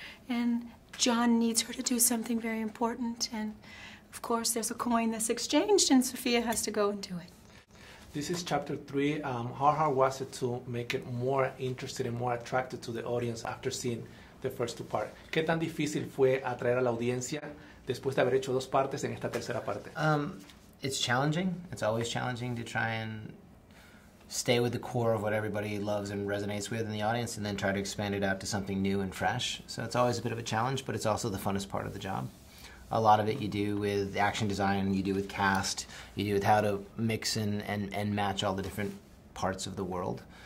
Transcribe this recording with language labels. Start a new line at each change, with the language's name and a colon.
English: And John needs her to do something very important. And of course, there's a coin that's exchanged, and Sophia has to go and do it. This is chapter 3. How hard was it to make it more interested and more attracted to the audience after seeing the first two parts?
Spanish: ¿Qué tan difícil fue atraer a la audiencia después de haber hecho dos partes en esta tercera parte?
English: It's challenging. It's always challenging to try and stay with the core of what everybody loves and resonates with in the audience and then try to expand it out to something new and fresh. So it's always a bit of a challenge, but it's also the funnest part of the job. A lot of it you do with action design, you do with cast, you do with how to mix and match all the different parts of the world.